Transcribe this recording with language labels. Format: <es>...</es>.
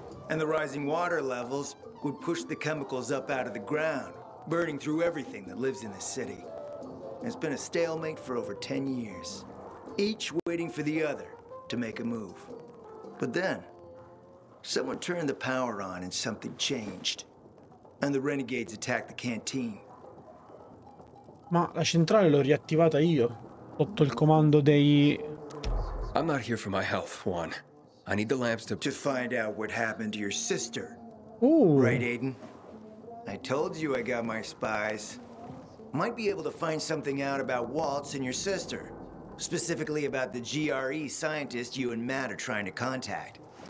<en>And the rising water levels would push the chemicals up out of the ground, burning through everything that lives in the city. It's been a stalemate for over 10 years, each waiting for the other to make a move. But then, someone turned the power on and something changed. And the renegades attacked the canteen.</en> <it>Ma la centrale l'ho riattivata io, sotto il comando dei...</it> <en>I'm not here for my health, Juan. I need the lamps to... To find out what happened to your sister. Ooh. Right, Aiden? I told you I got my spies. Might be able to find something out about Waltz and your sister. Specifically about the GRE scientist you and Matt are trying to contact.</en>